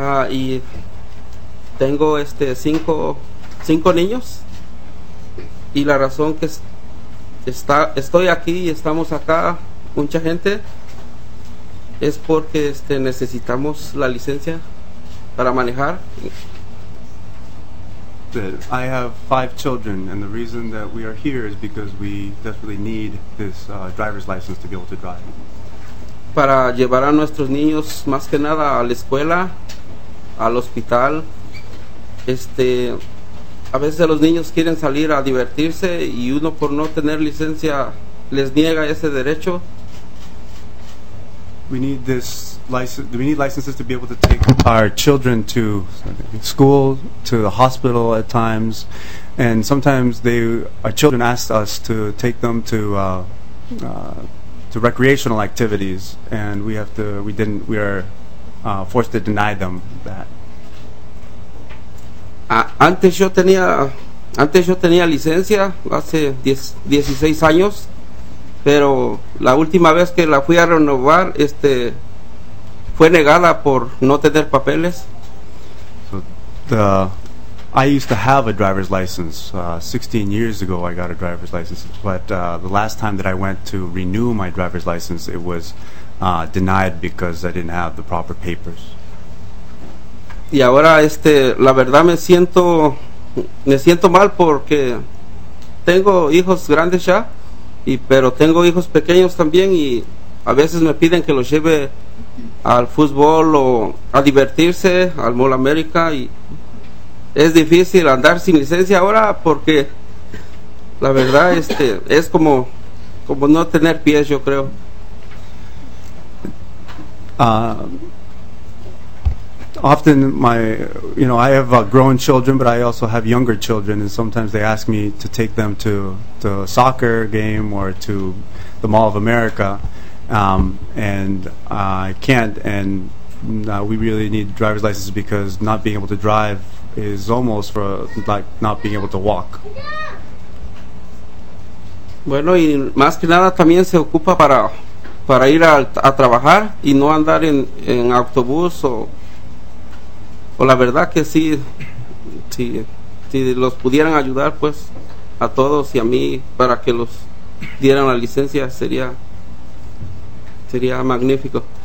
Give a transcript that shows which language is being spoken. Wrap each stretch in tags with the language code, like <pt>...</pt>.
<es>Y tengo cinco niños, y la razón que estoy aquí y estamos acá mucha gente es porque necesitamos la licencia para manejar.</es> <en>I have five children, and the reason that we are here is because we desperately need this driver's license to be able to drive.</en> <es>Para llevar a nuestros niños más que nada a la escuela, al hospital. A veces los niños quieren salir a divertirse, y uno por no tener licencia les niega ese derecho.</es> <en>we need this license. We need licenses to be able to take our children to school, to the hospital at times, and sometimes our children ask us to take them to recreational activities, and we are forced to deny them that.</en> <es>Antes yo tenía licencia hace 16 años, pero la última vez que la fui a renovar fue negada por no tener papeles.</es> <en>So I used to have a driver's license. 16 years ago I got a driver's license, but the last time that I went to renew my driver's license, it was denied because I didn't have the proper papers.</en> <es>Y ahora la verdad me siento mal porque tengo hijos grandes ya, pero tengo hijos pequeños también, y a veces me piden que los lleve al fútbol o a divertirse al Mall America, y es difícil andar sin licencia ahora porque la verdad es como no tener pies, yo creo.</es> <en>Often I have grown children, but I also have younger children, and sometimes they ask me to take them to a soccer game or to the Mall of America, I can't, we really need driver's licenses because not being able to drive is almost like not being able to walk.</en> <es>Bueno, y más que nada también se ocupa para ir a trabajar y no andar en autobús o la verdad que sí, si los pudieran ayudar pues a todos y a mí para que los dieran la licencia, sería magnífico.</es>